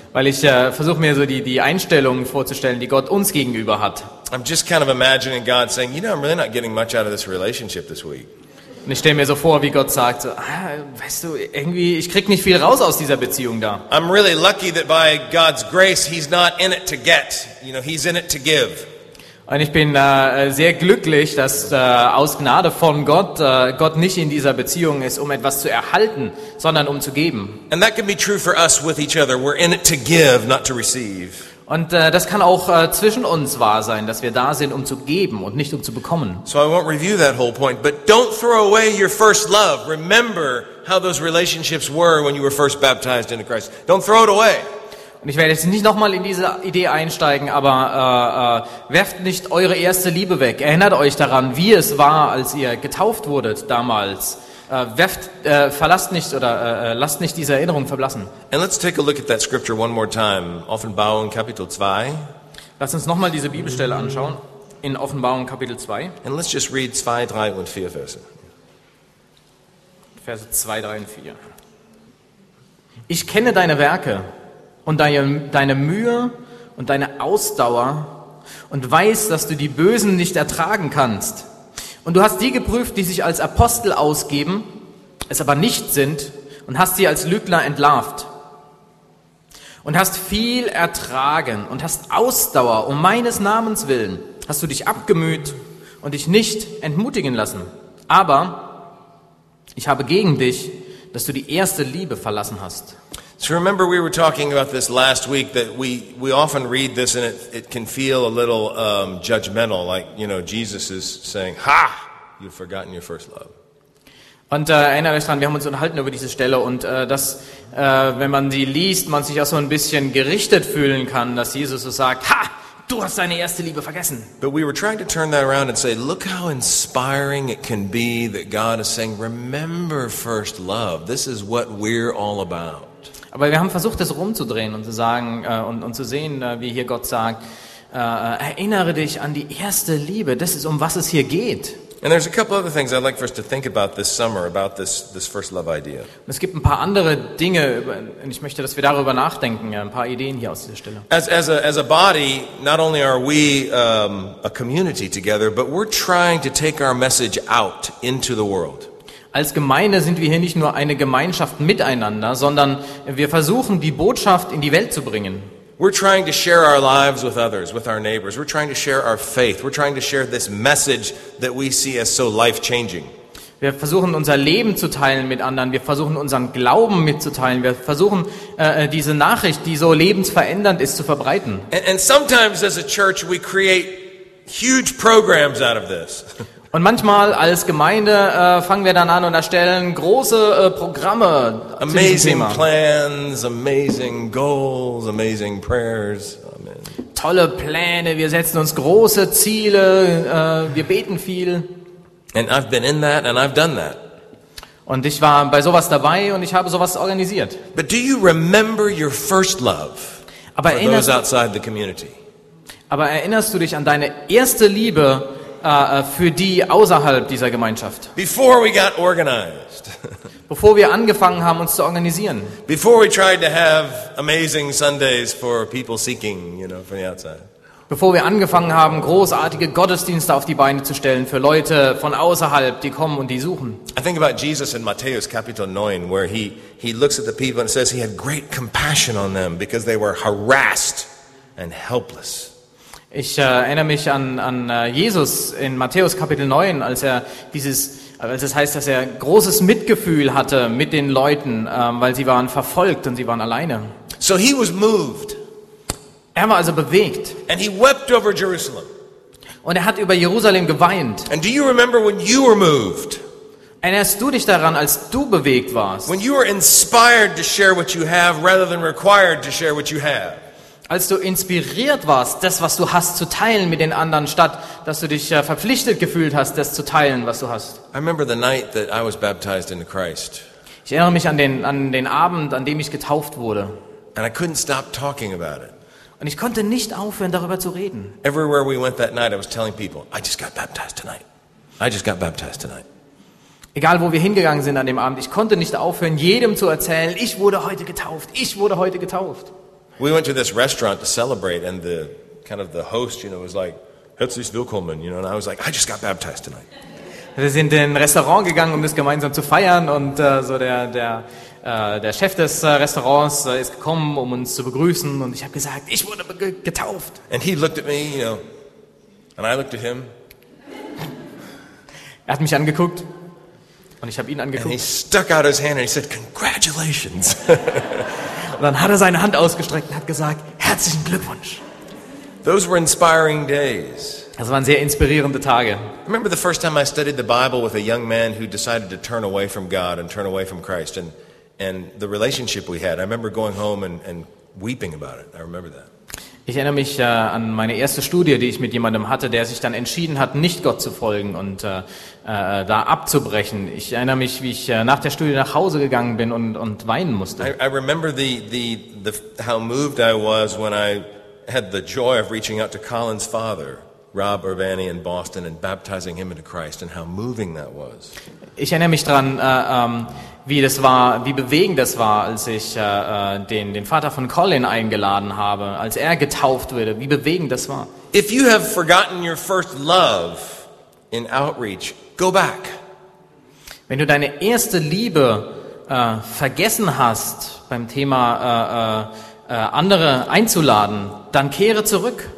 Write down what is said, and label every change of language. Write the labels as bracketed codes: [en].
[de] Weil ich versuche mir so die Einstellung vorzustellen, die Gott uns gegenüber hat. [en] I'm just kind of imagining God saying, you know, I'm really not getting much out of this relationship this week. [de] Und ich stelle mir so vor, wie Gott sagt, so, weißt du, irgendwie, ich kriege nicht viel raus aus dieser Beziehung da. [en] I'm really lucky that by God's grace, he's not in it to get, you know, he's in it to give. [de] Und ich bin sehr glücklich, dass aus Gnade von Gott, Gott nicht in dieser Beziehung ist, um etwas zu erhalten, sondern um zu geben. [en] And that can be true for us with each other. We're in it to give, not to receive. [de] Und das kann auch zwischen uns wahr sein, dass wir da sind, um zu geben und nicht um zu bekommen. [en] So I won't review that whole point, but don't throw away your first love. Remember how those relationships were when you were first baptized into Christ. Don't throw it away. [de] Und ich werde jetzt nicht nochmal in diese Idee einsteigen, aber werft nicht eure erste Liebe weg. Erinnert euch daran, wie es war, als ihr getauft wurdet damals. Verlasst nicht oder lasst nicht diese Erinnerung verblassen. [en] And let's take a look at that scripture one more time. [de] Offenbarung Kapitel 2. Lass uns nochmal diese Bibelstelle anschauen in Offenbarung Kapitel 2. [en] And let's just read 2, 3 [de] und 4 Verse. Verse 2, 3 und 4. Ich kenne deine Werke und deine Mühe und deine Ausdauer und weiß, dass du die Bösen nicht ertragen kannst. Und du hast die geprüft, die sich als Apostel ausgeben, es aber nicht sind, und hast sie als Lügner entlarvt. Und hast viel ertragen und hast Ausdauer um meines Namens willen, hast du dich abgemüht und dich nicht entmutigen lassen. Aber ich habe gegen dich, dass du die erste Liebe verlassen hast. [en] So remember we were talking about this last week, that we often read this and it can feel a little judgmental, like, you know, Jesus is saying, ha, you've forgotten your first love. [de] Und erinnert euch dran, wir haben uns unterhalten über diese Stelle und dass, wenn man sie liest, man sich auch so ein bisschen gerichtet fühlen kann, dass Jesus so sagt, ha, du hast deine erste Liebe vergessen. [en] But we were trying to turn that around and say, look how inspiring it can be that God is saying, remember first love, this is what we're all about. [de] Aber wir haben versucht, das rumzudrehen und zu sagen und zu sehen, wie hier Gott sagt, erinnere dich an die erste Liebe, das ist, um was es hier geht. [en] And there's a couple other things I'd like for us to think about this summer, about this first love idea. [de] Es gibt ein paar andere Dinge, und ich möchte, dass wir darüber nachdenken, ein paar Ideen hier aus dieser Stelle. [en] As a body, not only are we a community together, but we're trying to take our message out into the world. [de] Als Gemeinde sind wir hier nicht nur eine Gemeinschaft miteinander, sondern wir versuchen, die Botschaft in die Welt zu bringen. [en] We're trying to share our lives with others, with our neighbors. We're trying to share our faith. We're trying to share this message that we see as so life-changing. [de] Wir versuchen unser Leben zu teilen mit anderen. Wir versuchen unseren Glauben mitzuteilen. Wir versuchen diese Nachricht, die so lebensverändernd ist, zu verbreiten. [en] And sometimes as a church we create huge programs out of this. [de] Und manchmal als Gemeinde fangen wir dann an und erstellen große Programme zu diesem [en] amazing [de] Thema. [en] Plans, amazing goals, amazing prayers. Amen. [de] Tolle Pläne, wir setzen uns große Ziele, wir beten viel. [en] And I've been in that and I've done that. [de] Und ich war bei sowas dabei und ich habe sowas organisiert. [en] But do you remember your first love? [de] Aber [en] for those outside the community? [de] Aber erinnerst du dich an deine erste Liebe für die außerhalb dieser Gemeinschaft? [en] Before we got organized. [de] Bevor wir angefangen haben, uns zu organisieren. [en] Before we tried to have amazing Sundays for people seeking, you know, from the outside. [de] Bevor wir angefangen haben, großartige Gottesdienste auf die Beine zu stellen für Leute von außerhalb, die kommen und die suchen. [en] I think about Jesus in Matthäus Kapitel 9, where he looks at the people and says he had great compassion on them because they were harassed and helpless. [de] Ich erinnere mich an Jesus in Matthäus Kapitel 9, als es heißt, dass er großes Mitgefühl hatte mit den Leuten, weil sie waren verfolgt und sie waren alleine. [en] So he was moved. [de] Er war also bewegt. [en] And he wept over Jerusalem. [de] Und er hat über Jerusalem geweint. [en] And do you remember when you were moved? [de] Erinnerst du dich daran, als du bewegt warst? [en] When you were inspired to share what you have rather than required to share what you have. [de] Als du inspiriert warst, das, was du hast, zu teilen mit den anderen, statt dass du dich verpflichtet gefühlt hast, das zu teilen, was du hast. [en] I remember the night that I was baptized into Christ. [de] Ich erinnere mich an den Abend, an dem ich getauft wurde. [en] And I couldn't stop talking about it. [de] Und ich konnte nicht aufhören, darüber zu reden. [en] Everywhere we went that night, I was telling people, I just got baptized tonight. I just got baptized tonight. [de] Egal, wo wir hingegangen sind an dem Abend, ich konnte nicht aufhören, jedem zu erzählen, ich wurde heute getauft, ich wurde heute getauft. [en] We went to this restaurant to celebrate, and the host, you know, was like, [de] "Herzlich willkommen," [en] you know, and I was like, "I just got baptized tonight." [de] Wir sind in ein Restaurant gegangen, um das gemeinsam zu feiern, und der Chef des Restaurants ist gekommen, um uns zu begrüßen, und ich habe gesagt, ich wurde getauft. [en] And he looked at me, you know, and I looked at him. [de] Er hat mich angeguckt, und ich habe ihn angeguckt. [en] And he stuck out his hand and he said, "Congratulations." [de] Und dann hat er seine Hand ausgestreckt und hat gesagt, herzlichen Glückwunsch. [en] Those were inspiring days. [de] Das waren sehr inspirierende Tage. [en] I remember the first time I studied the Bible with a young man who decided to turn away from God and turn away from Christ and the relationship we had. I remember going home and weeping about it. I remember that. [de] Ich erinnere mich an meine erste Studie, die ich mit jemandem hatte, der sich dann entschieden hat, nicht Gott zu folgen und da abzubrechen. Ich erinnere mich, wie ich nach der Studie nach Hause gegangen bin und weinen musste. [en] I remember the how moved I was when I had the joy of reaching out to Colin's father, Rob Urbani in Boston, and baptizing him into Christ, and how moving that was. [de] Ich erinnere mich dran, wie das war, wie bewegend das war, als ich den Vater von Colin eingeladen habe, als er getauft wurde, wie bewegend das war. [en] If you have forgotten your first love in outreach, go back. [de] Wenn du deine erste Liebe vergessen hast beim Thema andere einzuladen, dann kehre zurück.